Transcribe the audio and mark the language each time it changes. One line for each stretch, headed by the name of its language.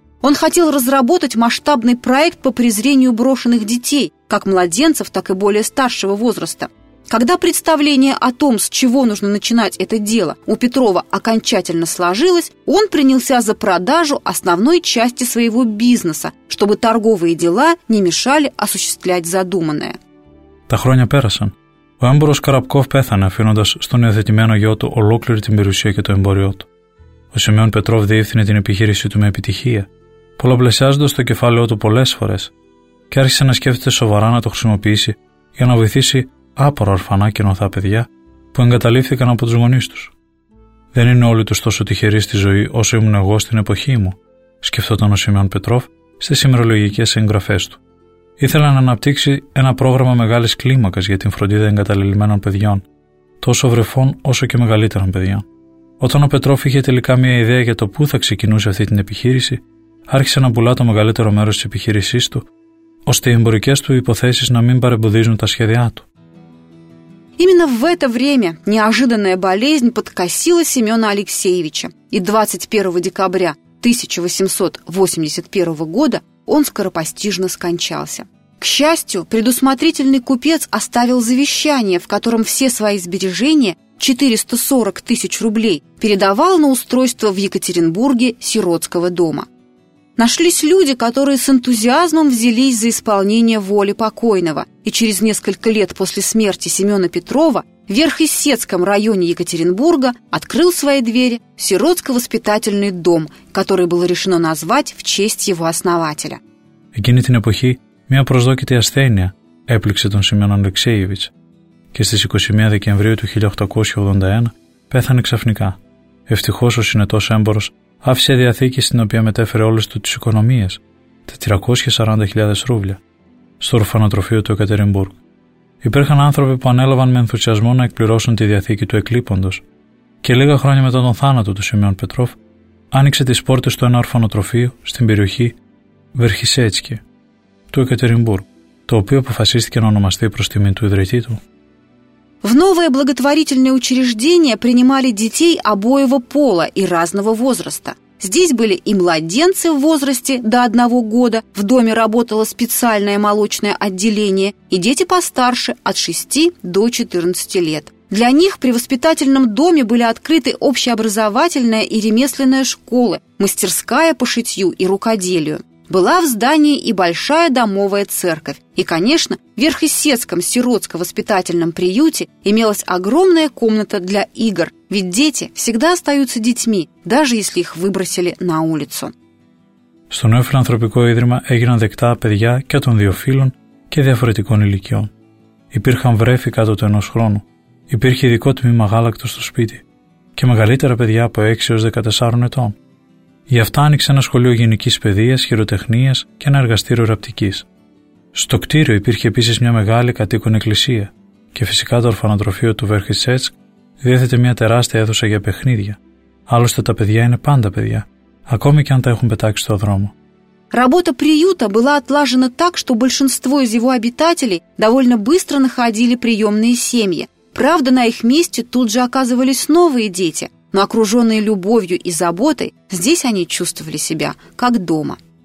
Russian: Он хотел разработать масштабный проект по презрению брошенных детей, как младенцев, так и более старшего возраста. Когда представление о том, с чего нужно начинать это дело, у Петрова окончательно сложилось, он принялся за продажу основной части своего бизнеса, чтобы торговые дела не мешали осуществлять задуманное.
Greek: Τα хроня пересан. Ο έμπορος Коробков пэθανε, αφήνοντας στον υιοθετημένο γιο του ολόκληρη την περιουσία και το εμπόριό του. Ο Σιμεών Πετρόφ διεύθυνε την επιχείρηση του με επιτυχία, πολλαπλασιάζοντας το κεφάλαιό του πολλές φορές, και άρχισε να σκέφτεται σοβαρά να το χρησιμοποιήσει για να βοηθήσει άπορα ορφανά και νοθά παιδιά που εγκαταλείφθηκαν από τους γονείς τους. «Δεν είναι όλοι τους τόσο τυχεροί στη ζωή όσο ήμουν εγώ στην εποχή μου», σκεφτόταν ο Σιμεών Πετρόφ στις ημερολογικές εγγραφές του. Ήθελε να αναπτύξει ένα πρόγραμμα μεγάλης κλίμακας για την φροντίδα εγκαταλελειμμένων παιδιών, τόσο βρεφών όσο και μεγαλύτερων παιδιών. Όταν ο Πετρόφ είχε τελικά μια ιδέα για το πού θα ξεκινούσε αυτή την επιχείρηση, άρχισε να πουλά το μεγαλύτερο μέρος της επιχείρησής του, ώστε οι εμπορικές του υποθέσεις να μην παρεμποδίζουν τα σχέδιά του.
Russian: Именно в это время неожиданная болезнь подкосила Семена Алексеевича, и 21 декабря 1881 года он скоропостижно скончался. К счастью, предусмотрительный купец оставил завещание, в котором все свои сбережения, 440 тысяч рублей, передавал на устройство в Екатеринбурге сиротского дома. Нашлись люди, которые с энтузиазмом взялись за исполнение воли покойного, и через несколько лет после смерти Семена Петрова в Верхесецком районе Екатеринбурга открыл свои двери сиротско-воспитательный дом, который было решено назвать в честь его основателя.
Greek: Εκείνη την εποχή μια προσδόκητη ασθένεια έπληξε τον Σιμεών Αλεξέιεβιτς και στις 21 Δεκεμβρίου του 1881 πέθανε ξαφνικά. Ευτυχώς ο συνετός έμπορος άφησε διαθήκη στην οποία μετέφερε όλες του τις οικονομίες, 440.000 ρούβλια, στο ορφανοτροφείο του Εκατερινμπούργκ. Υπήρχαν άνθρωποι που ανέλαβαν με ενθουσιασμό να εκπληρώσουν τη διαθήκη του εκλείποντος, και λίγα χρόνια μετά τον θάνατο του Σιμεών Πετρόφ, άνοιξε τις πόρτες του ένα ορφανοτροφείο στην περιοχή Βερχισέτσκι του Εκατερινμπούργκ, το οποίο αποφασίστηκε να ονομαστεί προς τιμή του ιδρυτή του.
Russian: В новое благотворительное учреждение принимали детей обоего пола и разного возраста. Здесь были и младенцы в возрасте до 1 года, в доме работало специальное молочное отделение, и дети постарше от 6 до 14 лет. Для них при воспитательном доме были открыты общеобразовательная и ремесленная школы, мастерская по шитью и рукоделию. Была в здании и большая домовая церковь. И, конечно, в Верхесецком сиротско-воспитательном приюте имелась огромная комната для игр, ведь дети всегда остаются детьми, даже если их выбросили на улицу.
Greek: Στο νέο φιλανθρωπικό ίδρυμα έγιναν δεκτά παιδιά και των δύο φύλων και διαφορετικών ηλικιών. Υπήρχαν βρέφη κάτω του ενός χρόνου. Υπήρχε ειδικό τμήμα γάλακτος στο σπίτι. Και μεγαλύτερα παιδιά από 6 έως 14 ετών. Γι' αυτά άνοιξε ένα σχολείο γενικής παιδείας, χειροτεχνίας και ένα εργαστήριο ραπτικής. Στο κτίριο υπήρχε επίσης μια μεγάλη κατοίκον εκκλησία και φυσικά το ορφανοτροφείο του Βέρχισσέτσκ διέθετε μια τεράστια αίθουσα για παιχνίδια. Άλλωστε τα παιδιά είναι πάντα παιδιά, ακόμη και αν τα έχουν πετάξει στο δρόμο.
Russian: Работа приюта была отлажена так, что большинство из его обитателей довольно быстро находили приемные семьи. Правда, на их месте тут же оказывались новые дети, но окруженные любовью и заботой, здесь они чувствовали себя как дома.